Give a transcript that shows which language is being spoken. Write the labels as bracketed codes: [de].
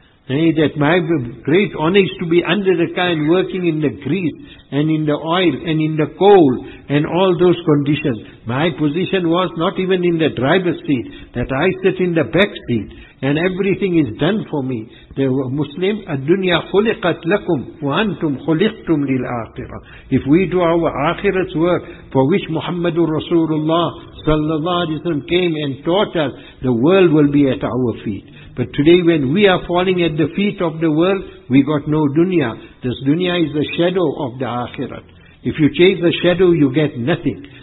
[en] Hey, that my great honor is to be under the car and working in the grease and in the oil and in the coal and all those conditions. My position was not even in the driver's seat, that I sit in the back seat and everything is done for me. The Muslim, [ar] الدُّنْيَا خُلِقَتْ لَكُمْ وَأَنْتُمْ خُلِقْتُمْ لِلْآخِرَةِ. [en] If we do our akhirat's work for which Muhammadur Rasulullah sallallahu alayhi wa sallam came and taught us, the world will be at our feet. But today when we are falling at the feet of the world, we got no dunya. This dunya is the shadow of the akhirat. If you chase the shadow, you get nothing.